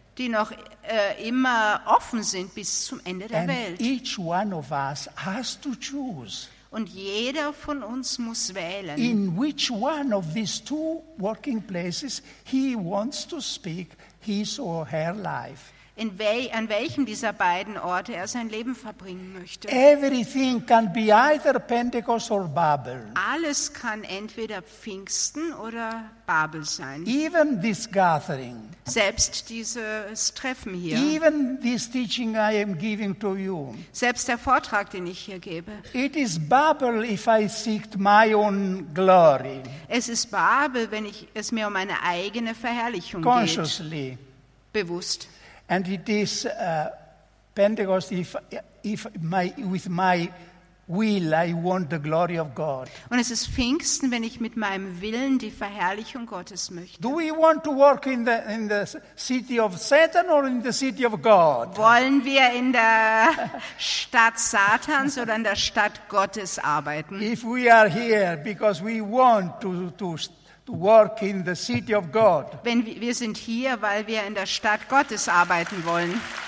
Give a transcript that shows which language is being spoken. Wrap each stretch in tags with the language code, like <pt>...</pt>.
<de>die noch immer offen sind bis zum Ende der Welt.</de> <en>And each one of us has to choose.</en> <de>Und jeder von uns muss wählen.</de> <en>In which one of these two working places he wants to speak his or her life.</en> <de>An welchem dieser beiden Orte er sein Leben verbringen möchte.</de> <en>Everything can be either Pentecost or Babel.</en> <de>Alles kann entweder Pfingsten oder Babel sein.</de> <en>Even this gathering.</en> <de>Selbst dieses Treffen hier.</de> <en>Even this teaching I am giving to you.</en> <de>Selbst der Vortrag, den ich hier gebe.</de> <en>It is Babel if I seek my own glory.</en> <de>Es ist Babel, wenn ich es mir um meine eigene Verherrlichung</de> <en>consciously</en> <de>geht. Bewusst.</de> <en>And it is Pentecost with my will I want the glory of God.</en> <de>Und es ist Pfingsten, wenn ich mit meinem Willen die Verherrlichung Gottes möchte.</de> <en>Do we want to work in the city of Satan or in the city of God?</en> <de>Wollen wir in der Stadt Satans oder in der Stadt Gottes arbeiten?</de> <en>If we are here because we want to work in the city of God.</en> <de>Wenn wir sind hier, weil wir in der Stadt Gottes arbeiten wollen.</de>